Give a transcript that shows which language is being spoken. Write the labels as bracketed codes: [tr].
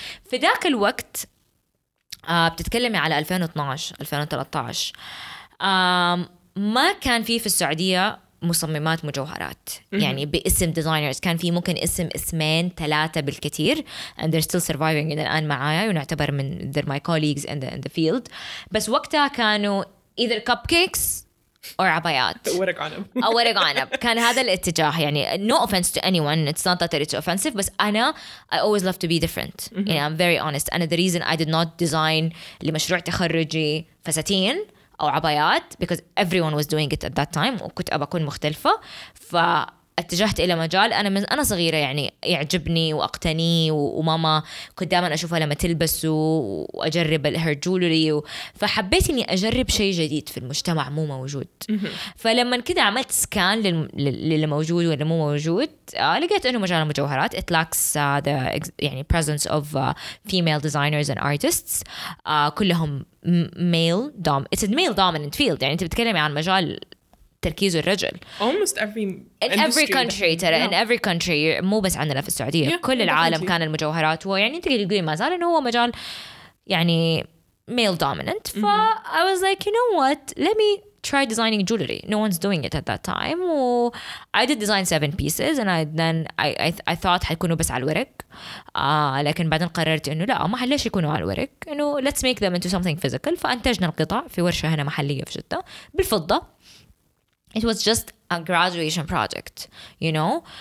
[ar] في ذاك الوقت بتتكلمي على 2012-2013, ما كان فيه في السعودية مصممات مجوهرات يعني باسم ديزاينرز. كان فيه ممكن اسمين ثلاثة بالكثير, [en] and they're still surviving [ar] إلى الآن معايا, ونعتبر من [en] they're my colleagues in the field. [ar] بس وقتها كانوا [en] either cupcakes or [ar] عبايات أو ورق عنب. كان هذا الاتجاه. يعني [en] no offense to anyone, it's not that it's offensive, [ar] بس أنا [en] I always love to be different. You know, I'm very honest. And the reason I did not design [ar] لمشروع تخرجي فساتين أو عبايات [en] because everyone was doing it at that time, [ar] وكنت أبى أكون مختلفة. فاتجهت إلى مجال أنا من أنا صغيرة يعني يعجبني وأقتني, وماما كنت دائما أشوفها لما تلبسه وأجرب [en] her jewelry, [ar] فحبيت إني أجرب شيء جديد في المجتمع مو موجود. فلما كده عملت سكان للي موجود واللي مو موجود, لقيت إنه مجال المجوهرات [en] it lacks the [ar] يعني [en] presence of female designers and artists, [ar] كلهم [en] male dom, it's a male dominant field. [ar] يعني انت بتكلمي عن مجال تركيز الرجل [en] almost every in every country [ar] ترى [en] yeah. in every country, [ar] مو بس عندنا في السعودية [en] yeah, [ar] كل العالم [en] definitely. [ar] كان المجوهرات هو يعني تقدر تقولي ما زال انه هو مجال يعني [en] male dominant. ف I was like, you know what, let me try designing jewelry. No one's doing it at that time. I did design 7 pieces and I thought [ar] حيكونوا بس على الورق. لكن بعدين قررت انه لا, ما حليش يكونوا على الورق. انه [en] let's make them into something physical. [ar] فانتجنا القطع في ورشة هنا محلية في جدة بالفضة. [en] It was just a graduation project, you know.